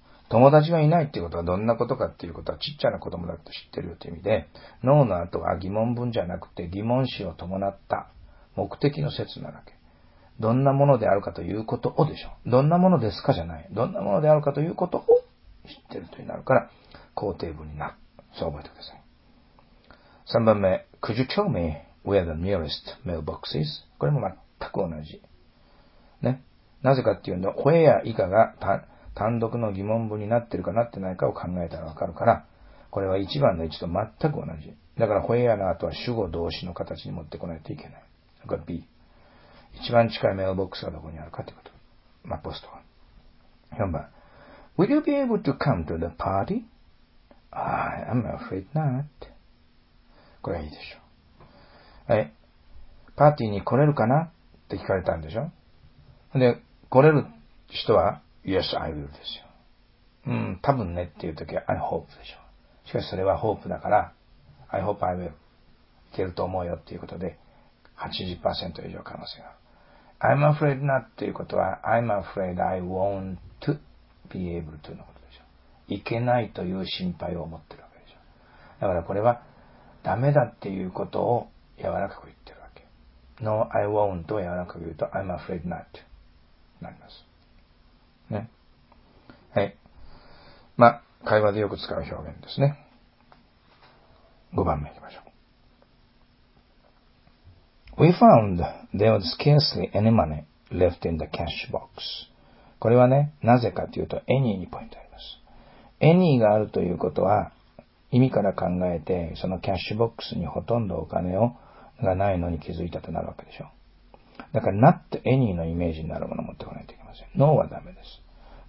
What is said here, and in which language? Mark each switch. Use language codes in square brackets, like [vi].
[ja] 友達がいないっていうことはどんなことかっていうことはちっちゃな子供だって知ってるよという意味で、 no の後は疑問文じゃなくて疑問詞を伴った目的の説なだけ。どんなものであるかということをでしょ。どんなものですかじゃない。どんなものであるかということを知ってるというなるから肯定文になる。そう覚えてください。 [en] 3番目、Could you tell me where the nearest mailbox is? [ja] これも全く同じ。ね。なぜかっていうと、where 以下が単独の疑問文になってるかなってないかを考えたらわかるから、これは1番の1と全く同じ。だから where の後は主語動詞の形に持ってこないといけない。だから B。一番近いメールボックスはどこにあるかということ。まあ、ポストは。4番。 [en] Will you be able to come to the party? I am afraid not. [ja] これはいいでしょう。はい。パーティーに来れるかなって聞かれたんでしょ。で、来れる人は、 [en] Yes, I will [ja] ですよ。多分ねっていうときは、I hope でしょ。しかしそれは hope だから、 [en] I hope I will。 [ja] いけると思うよっていうことで、80% 以上可能性がある。 [en] I'm afraid not [ja] っていうことは、 [en] I'm afraid I won't be able to [ja] のことでしょ。いけないという心配を持ってるわけでしょ。だからこれは、ダメだっていうことを柔らかく言ってるわけ。 [en] No, I won't [ja] を柔らかく言うと、 [en] I'm afraid not [ja] となります。ね。はい。まあ、会話でよく使う表現ですね。 5番目行きましょう。 [en] We found there was scarcely any money left in the cash box. [ja] これはね、なぜかというと、any にポイントあります。 any があるということは、意味から考えて、そのキャッシュボックスにほとんどお金をがないのに気づいたとなるわけでしょ。だから、not any のイメージになるものを持ってこないといけません。no はダメです。